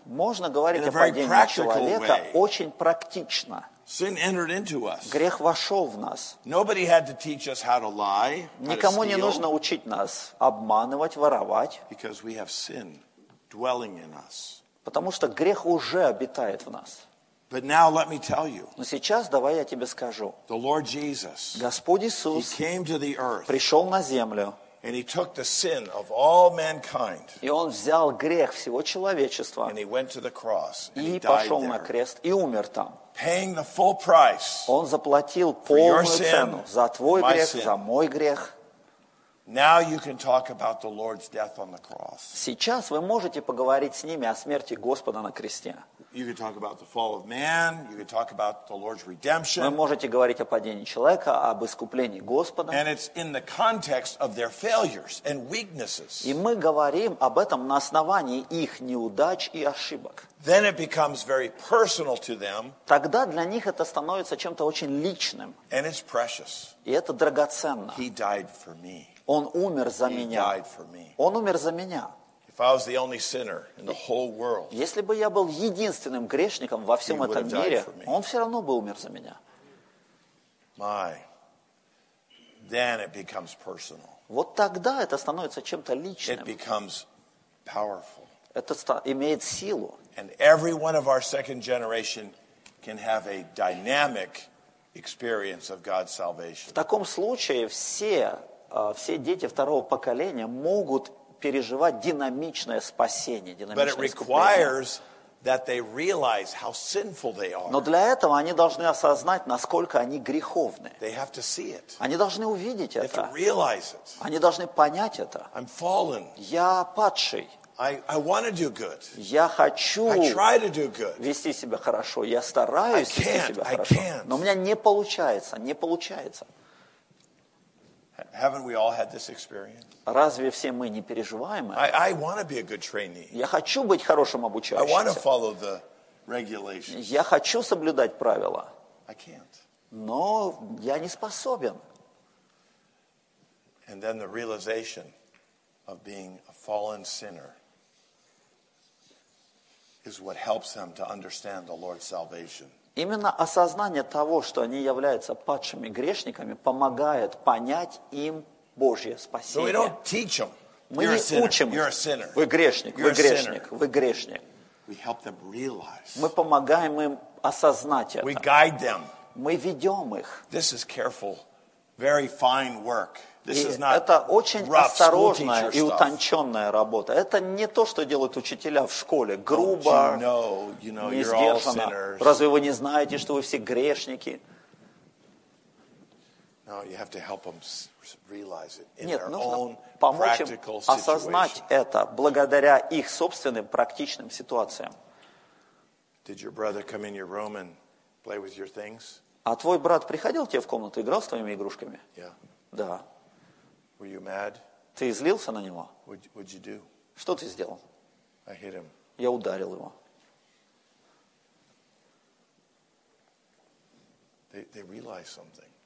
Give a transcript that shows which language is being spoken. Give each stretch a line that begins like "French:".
Russian: Можно говорить о падении человека очень практично.
English: Sin entered into us.
Russian: Грех вошел в нас.
English: Nobody had to teach us how to lie.
Russian: Никому не нужно учить нас обманывать, воровать.
English: Because we have sin dwelling in us.
Russian: Потому что грех уже обитает в нас.
English: But now let me tell you.
Russian: Но сейчас давай я тебе скажу.
English: The Lord Jesus.
Russian: Господь Иисус.
English: He came to the earth.
Russian: Пришел на землю.
English: And he took the sin of all mankind.
Russian: И он взял грех всего человечества.
English: And he went to the cross.
Russian: И пошел на крест и умер там.
English: Paying the full price.
Russian: Он заплатил полную цену за твой грех, за мой грех.
English: Now you can talk about the Lord's death on the cross.
Russian: Сейчас вы можете поговорить с ними о смерти Господа на кресте.
English: You can talk about the fall of man. You can talk about the Lord's redemption.
Russian: Вы можете говорить о падении человека, об искуплении Господа.
English: And it's in the context of their failures and weaknesses.
Russian: И мы говорим об этом на основании их неудач и ошибок.
English: Then it becomes very personal to them.
Russian: Тогда для них это становится чем-то очень личным.
English: And it's precious.
Russian: И это драгоценно.
English: He died for me.
Russian: Он умер за меня. Он умер за меня.
English: If I was the only sinner in the whole world,
Russian: если бы я был единственным грешником во всем этом мире, он все равно бы умер за меня.
English: My. Then it becomes personal.
Russian: Вот тогда это становится чем-то личным.
English: It becomes powerful.
Russian: Это имеет силу.
English: And every one of our second generation can have a dynamic experience of God's salvation.
Russian: В таком случае все дети второго поколения могут переживать динамичное спасение, динамичное искупление. Но для этого они должны осознать, насколько они греховны. Они должны увидеть это. Они должны понять это. Я падший.
English: I want to do good.
Russian: Я хочу
English: I try to do good.
Russian: Вести себя хорошо. Я стараюсь вести себя хорошо. Но у меня не получается, не получается.
English: Haven't we all had this experience?
Russian: Разве все мы не переживаем это?
English: I want to be a good trainee.
Russian: Я хочу быть хорошим обучающимся.
English: I want to follow the regulations.
Russian: Я хочу соблюдать правила.
English: I can't.
Russian: Но я не способен.
English: And then the realization of being a fallen sinner is what helps them to understand the Lord's salvation.
Russian: Именно осознание того, что они являются падшими грешниками, помогает понять им Божье спасение.
English: So we don't teach them.
Russian: Мы не учим их. Вы грешник, вы грешник, вы грешник.
English: We help them realize.
Russian: Мы помогаем им осознать это.
English: We guide them.
Russian: Мы ведем их.
English: This is careful, very fine work. This is not
Russian: это очень осторожная и утонченная работа. Это не то, что делают учителя в школе. Грубо, не сдержанно. Разве вы не знаете, что вы все грешники? Нет, нужно помочь им осознать это благодаря их собственным практичным ситуациям.
English: Did your brother come in your room and play with your things?
Russian: А твой брат приходил к тебе в комнату и играл с твоими игрушками? Да.
English: Were you mad?
Russian: Ты злился на него?
English: What'd you do?
Russian: Что ты сделал?
English: I hit him.
Russian: Я ударил его.
English: They realize something.